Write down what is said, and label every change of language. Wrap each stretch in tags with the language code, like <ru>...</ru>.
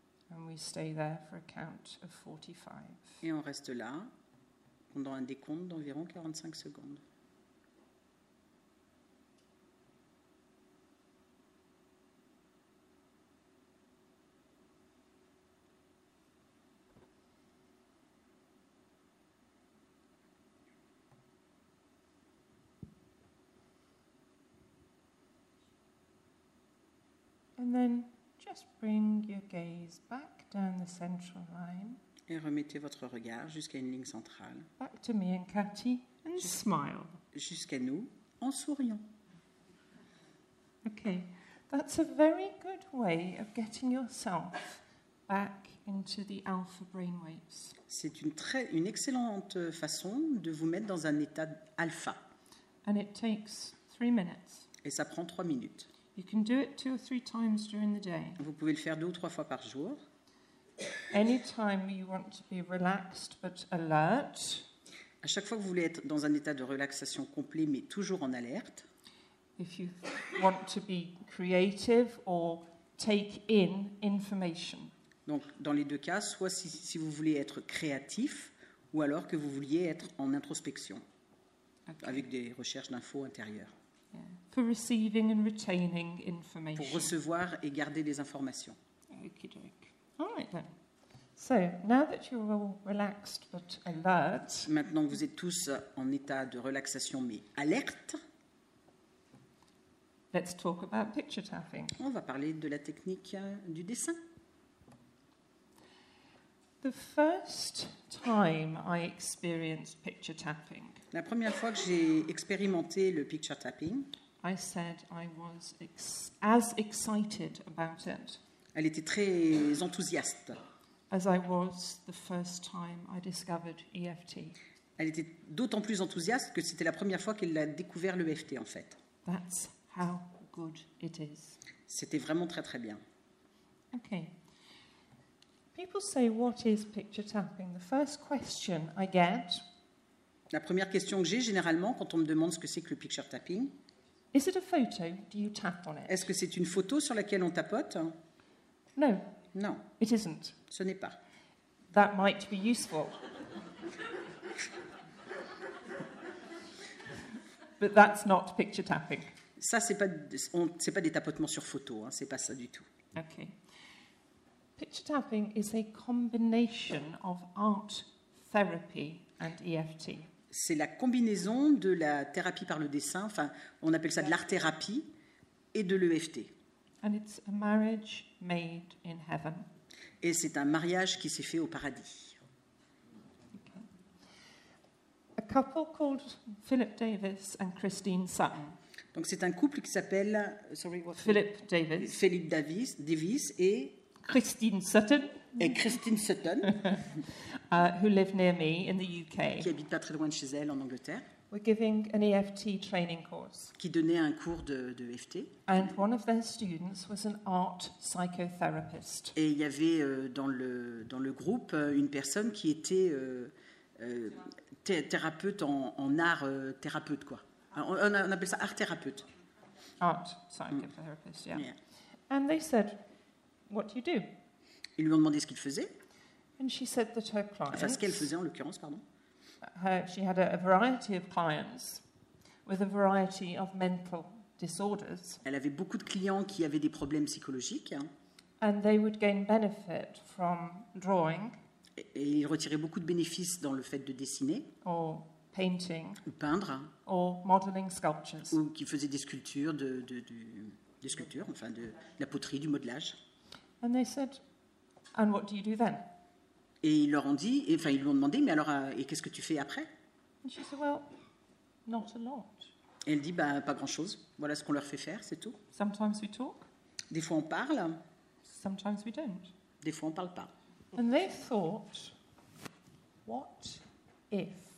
<en>And we stay there for a count of 45.</en> <fr>Et on reste là pendant un décompte d'environ 45 secondes.</fr> <en>And then just bring your gaze back down the central line.</en> <fr>Et remettez votre regard jusqu'à une ligne centrale.</fr> <en>Back to me and Cathy and smile.</en> <fr>Jusqu'à nous en souriant.</fr> <en>Okay, that's a very good way of getting yourself back into the alpha brainwaves.</en> <fr>C'est une excellente façon de vous mettre dans un état alpha.</fr> <en>And it takes 3 minutes.</en> <fr>Et ça prend 3 minutes.</fr> <en>You can do it 2 or 3 times during the day.</en> <fr>Vous pouvez le faire 2 ou 3 fois par jour.</fr> <en>Anytime you want to be relaxed but alert.</en> <fr>À chaque fois que vous voulez être dans un état de relaxation complet mais toujours en alerte.</fr> <en>If you want to be creative or take in information.</en> <fr>Donc dans les deux cas, soit si vous voulez être créatif ou alors que vous vouliez être en introspection. Okay. Avec des recherches d'infos intérieures.</fr> <en>Yeah. For receiving and retaining information.</en> <fr>Pour recevoir et garder des informations. Maintenant que vous êtes tous en état de relaxation mais alerte,</fr> <en>let's talk about picture tapping.</en> <fr>On va parler de la technique du dessin.</fr> <en>The first time I experienced picture tapping.</en> <fr>La première fois que j'ai expérimenté le picture tapping,</fr> <en>I said I was as excited about it.</en> <fr>Elle était très enthousiaste.</fr> <en>As I was the first time I discovered EFT.</en> <fr>Elle était d'autant plus enthousiaste que c'était la première fois qu'elle a découvert l'EFT en fait.</fr> <en>That's how good it is.</en> <fr>C'était vraiment très très bien.</fr> <en>Okay. People say, what is picture tapping? The first question I get.</en> <fr>La première question que j'ai généralement quand on me demande ce que c'est que le picture tapping.</fr> <en>Is it a photo? Do you tap on it?</en> <fr>Est-ce que c'est une photo sur laquelle on tapote?</fr> <en>No.</en> <fr>Non.</fr> <en>It isn't.</en> <fr>Ce n'est pas.</fr> <en>That might be useful. But that's not picture tapping.</en> <fr>Ça, c'est pas des tapotements sur photo, hein. C'est pas ça du tout.</fr> <en>Okay. Picture tapping is a combination of art therapy and EFT.</en> <fr>C'est la combinaison de la thérapie par le dessin, enfin, on appelle ça de l'art-thérapie, et de l'EFT.</fr> <en>And it's a marriage made in heaven.</en> <fr>Et c'est un mariage qui s'est fait au paradis.</fr> <en>Okay. A couple called Philip Davis and Christine Sutton.</en> <fr>Donc c'est un couple qui s'appelle Philip Davis et Christine Sutton. Et Christine Sutton,</fr> <en>who live near me in the UK,</en> <fr>qui habite pas très loin de chez elle en Angleterre,</fr> <en>were giving an EFT training course.</en> <fr>Qui donnait un cours de EFT.</fr> <en>And one of their students was an art psychotherapist.</en> <fr>Et il y avait dans le groupe une personne qui était thérapeute en art thérapeute quoi. On appelle ça art thérapeute.</fr> <en>Art psychotherapist, yeah. Yeah. And they said, what do you do?</en> <fr>Ils lui ont demandé ce qu'il faisait.</fr> <en>And she said that her clients,</en> <fr>enfin, ce qu'elle faisait en l'occurrence, pardon.</fr> <en>She had a variety of clients with a variety of mental disorders.</en> <fr>Elle avait beaucoup de clients qui avaient des problèmes psychologiques.</fr> <en>And they would gain benefit from drawing.</en> <fr>Et ils retiraient beaucoup de bénéfices dans le fait de dessiner.</fr> <en>Or painting.</en> <fr>Ou peindre.</fr> <en>Or modeling sculptures.</en> <fr>Ou qui faisaient des sculptures de sculptures, enfin de la poterie, du modelage.</fr> <en>And they said, and what do you do then?</en> <fr>Et ils leur ont dit, enfin ils lui ont demandé, mais alors, et qu'est-ce que tu fais après?</fr> <en>And she said, well, not a lot.</en> <fr>Et elle dit, bah, pas grand-chose. Voilà ce qu'on leur fait faire, c'est tout.</fr> <en>Sometimes we talk.</en> <fr>Des fois on parle.</fr> <en>Sometimes we don't.</en> <fr>Des fois on parle pas.</fr> <en>And they thought, what if?</en>